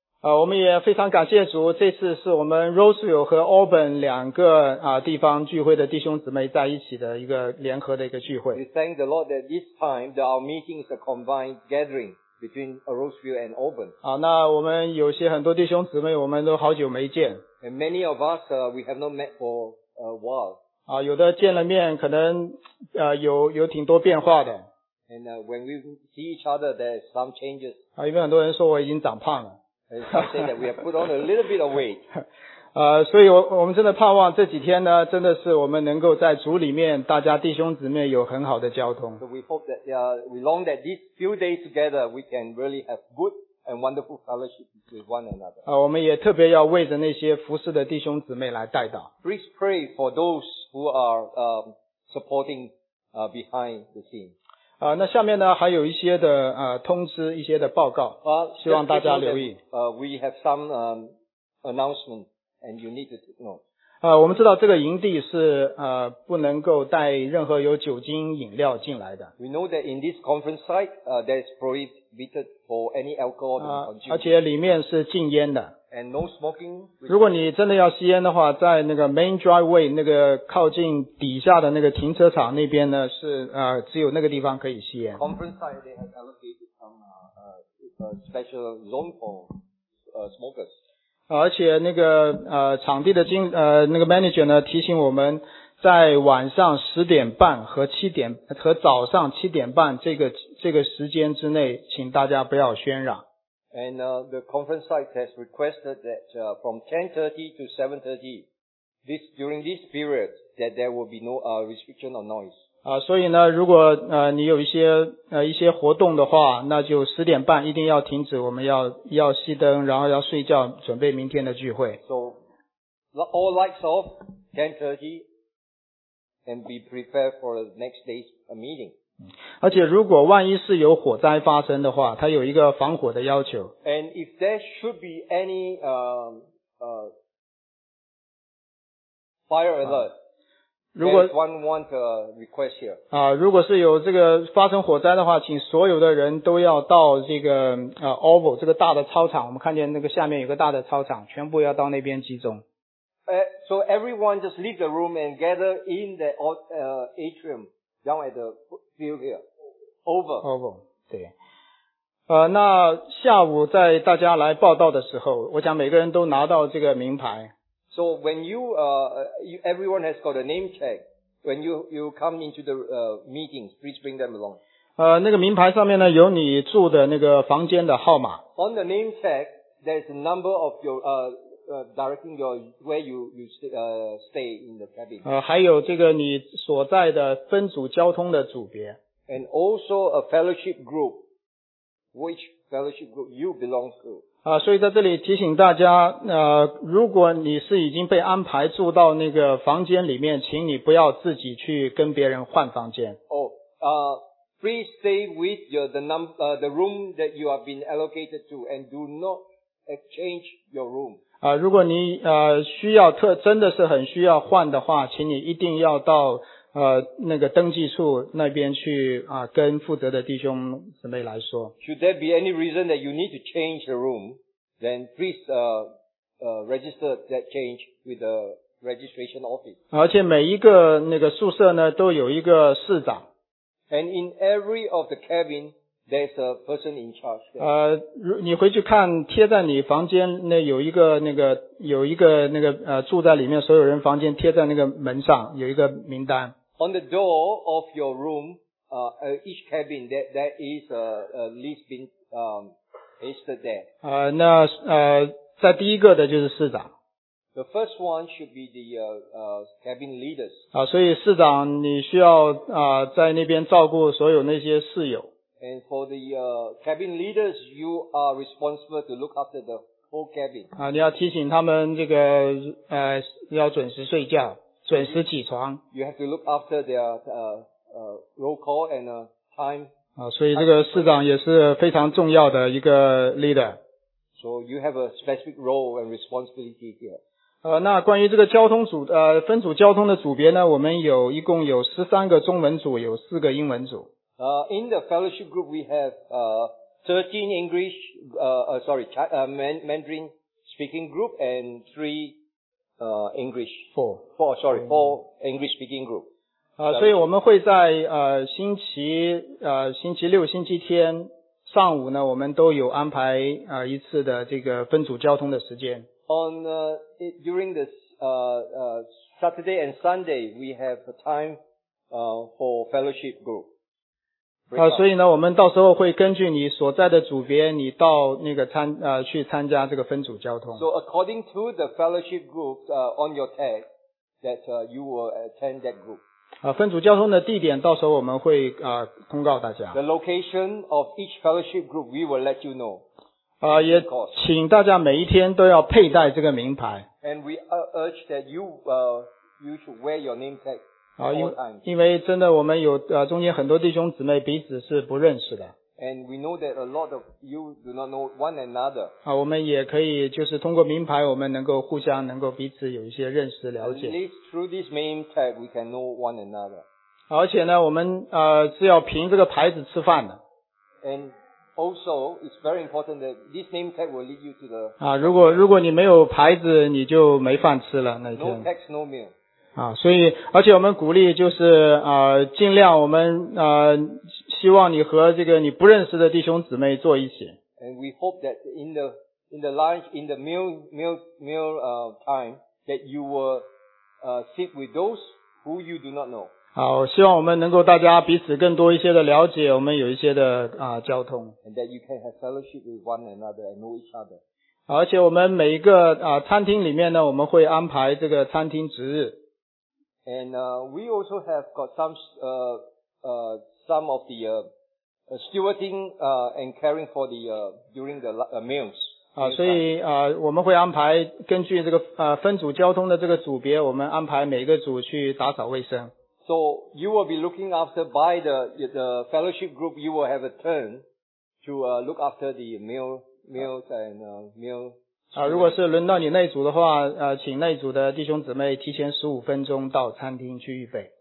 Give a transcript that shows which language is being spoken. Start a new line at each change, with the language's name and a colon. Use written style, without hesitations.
Chinese: 我们也非常感谢主，这次是我们 Roseville 和 Auburn 两个地方聚会的弟兄姊妹在一起的一个联合的一个聚会。
English: We thank the Lord that this time that our meeting is a combined gathering between Roseville and Auburn.
Chinese: 那我们有些很多弟兄姊妹我们都好久没见。
English: And many of us, we have not met for a while.
Chinese: 有的见了面可能有挺多变化的。
English: And when we see each other, there are some changes.
Chinese: 因为很多人说我已经长胖了。
English: Saying that we have put on a little bit of weight.
Chinese: 所以我们真的盼望这几天呢，真的是我们能够在主里面，大家弟兄姊妹有很好的交通。
English: So we hope that, we long that these few days together, we can really have good and wonderful fellowship with one another.
Chinese: 我们也特别要为着那些服侍的弟兄姊妹来代祷。
English: Please pray for those who are supporting behind the scene.
Chinese: 那下面呢还有一些的通知，一些的报告，希望大家留意。
English: We have some announcement and you need to take note.
Chinese: 我们知道这个营地是不能够带任何有酒精饮料进来的。
English: We know that in this conference site, there is prohibited for any alcohol to consume.
Chinese: 而且里面是禁烟的。
English: And no smoking.
Chinese: 如果你真的要吸烟的话，在那个
English: main driveway
Chinese: 那个靠近底下的那个停车场那边呢，是只有那个地方可以吸烟。
English: Conference site they have allocated some special zone for smokers.
Chinese: 而且那个场地的那个 manager 呢提醒我们，在晚上十点半和七点和早上七点半这个时间之内，请大家不要喧嚷。
English: And the conference site has requested that from 10:30 to 7:30, this during this period that there will be no restriction of noise.
Chinese: 所以呢，如果你有一些活动的话，那就十点半一定要停止，我们要熄灯，然后要睡觉，准备明天的聚会。
English: So all lights off, 10:30, and be prepared for the next day's meeting.
Chinese: 而且如果万一是有火灾发生的话，它有一个防火的要求。
English: And if there should be any fire alert.
Chinese: 如果是有这个发生火灾的话，请所有的人都要到这个Oval 这个大的操场，我们看见那个下面有个大的操场，全部要到那边集中。
English: So everyone just leave the room and gather in the atrium down at the field here. Oval.
Chinese: 对。那下午在大家来报道的时候，我想每个人都拿到这个名牌。
English: So when you, everyone has got a name tag. When you come into the meeting, please bring them along.
Chinese: 那个名牌上面呢有你住的那个房间的号码。
English: On the name tag, there is a number of your directing your where you stay in the cabin.
Chinese: 还有这个你所在的分组交通的组别。
English: And also a fellowship group, which fellowship group you belong to.
Chinese: 所以在这里提醒大家，如果你是已经被安排住到那个房间里面，请你不要自己去跟别人换房间。
English: Please stay with the room that you have been allocated to and do not exchange your room.
Chinese: 如果你需要真的是很需要换的话，请你一定要到那个登记处那边去跟负责的弟兄姊妹来说。
English: Should there be any reason that you need to change the room, then please register that change with the registration office.
Chinese: 而且每一个那个宿舍呢都有一个室长。
English: And in every of the cabin, there's a person in charge.
Chinese: 你回去看贴在你房间那有一个那个有一个那个住在里面所有人房间贴在那个门上有一个名单。
English: On the door of your room, each cabin, there is a list being pasted there.
Chinese: 在第一个的就是市长。
English: The first one should be the cabin leaders.
Chinese: 所以市长你需要在那边照顾所有那些室友。
English: And for the cabin leaders, you are responsible to look after the whole cabin.
Chinese: 你要提醒他们这个要准时睡觉。准时起床。
English: You have to look after their roll call and time.
Chinese: 所以这个市长也是非常重要的一个 leader.
English: So you have a specific role and responsibility here.
Chinese: 那关于这个交通组分组交通的组别呢，我们有一共有13个中文组，有4个英文组。
English: In the fellowship group we have 13 English, Mandarin speaking group and 3English. Four English speaking group.
Chinese: 所以我们会在星期六、星期天上午呢，我们都有安排一次的这个分组交通的时间。
English: On during this Saturday and Sunday, we have a time for fellowship group.
Chinese: 所以呢，我们到时候会根据你所在的组别，你到那个去参加这个分组交通。
English: So according to the fellowship group on your tag, that you will attend that group.
Chinese: 分组交通的地点到时候我们会通告大家。
English: The location of each fellowship group, we will let you know.
Chinese: 也请大家每一天都要佩戴这个名牌。
English: And we urge that you, you should wear your name tag.
Chinese: 因为真的我们有中间很多弟兄姊妹彼此是不认识的。
English: And we know that a lot of you do not know one another.
Chinese: 我们也可以就是通过名牌我们能够互相能够彼此有一些认识了解。
English: At least through this name tag we can know one another.
Chinese: 而且呢我们是要凭这个牌子吃饭的。
English: And also, it's very important that this name tag will lead you to the...
Chinese: 如果你没有牌子你就没饭吃了那一天。
English: No tax, no meal.
Chinese: 所以而且我们鼓励就是尽量我们希望你和这个你不认识的弟兄姊妹坐一起。
English: And we hope that in the lunch, in the meal time, that you will sit with those who you do not know.
Chinese: 好，希望我们能够大家彼此更多一些的了解，我们有一些的交通。
English: And that you can have fellowship with one another and know each other.
Chinese: 而且我们每一个餐厅里面呢，我们会安排这个餐厅值日。
English: And we also have got some of the stewarding and caring for the during the meals.
Chinese: 所以我们会安排根据这个分组交通的这个组别，我们安排每一个组去打扫卫生。
English: So you will be looking after by the fellowship group. You will have a turn to look after the meals and meal.
Chinese: 如果是轮到你那组的话，请那组的弟兄姊妹提前15分钟到餐厅去预备。